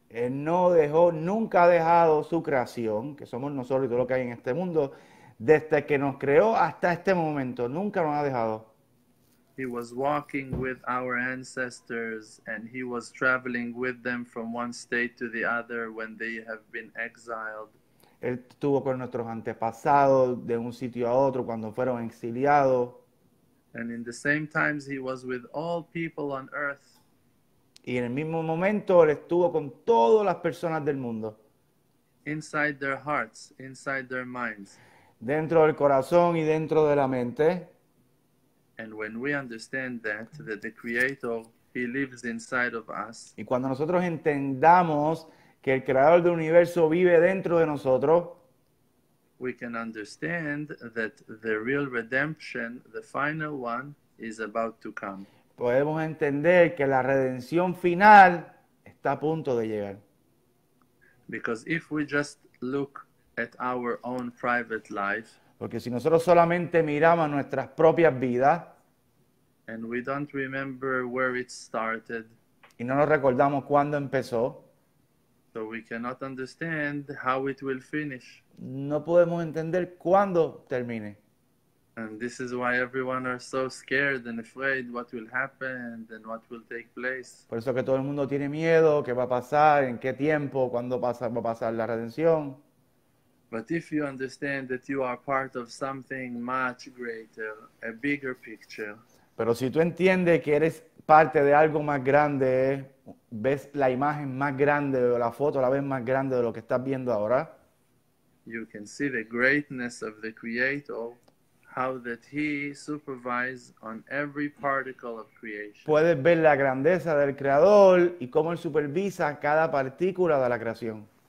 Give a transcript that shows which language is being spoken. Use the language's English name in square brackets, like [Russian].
[Spanish] Él no dejó, nunca ha dejado su creación, que somos nosotros y todo lo que hay en este mundo, desde que nos creó hasta este momento, nunca nos ha dejado. [English] He was walking with our ancestors and he was traveling with them from one state to the other when they have been exiled. [Spanish] Él estuvo con nuestros antepasados de un sitio a otro cuando fueron exiliados. [English] And in the same times he was with all people on earth. [Spanish] Y en el mismo momento él estuvo con todas las personas del mundo. [English] Inside their hearts, inside their minds. [Spanish] Dentro del corazón y dentro de la mente. [English] And when we understand that the Creator, he lives inside of us. [Spanish] Y cuando nosotros entendamos que el Creador del Universo vive dentro de nosotros, [English] we can understand that the real redemption, the final one, is about to come. [Spanish] Podemos entender que la redención final está a punto de llegar. [English] Because if we just look at our own private life, [Spanish] porque si nosotros solamente miramos nuestras propias vidas, [English] and we don't remember where it started, [Spanish] y no nos recordamos cuándo empezó, [English] so we cannot understand how it will finish. [Spanish] No podemos entender cuándo termine. [English] And this is why everyone are so scared and afraid what will happen and what will take place. [Spanish] Por eso que todo el mundo tiene miedo, qué va a pasar, en qué tiempo, cuándo va a pasar la redención. [English] But if you understand that you are part of something much greater, a bigger picture. [Spanish] Pero si tú entiendes que eres parte de algo más grande, ves la imagen más grande o la foto la ves más grande de lo que estás viendo ahora. [English] You can see the greatness of the Creator, how that he supervises on every particle of creation. [Spanish] Puedes ver la grandeza del Creador y cómo él supervisa cada partícula de la creación.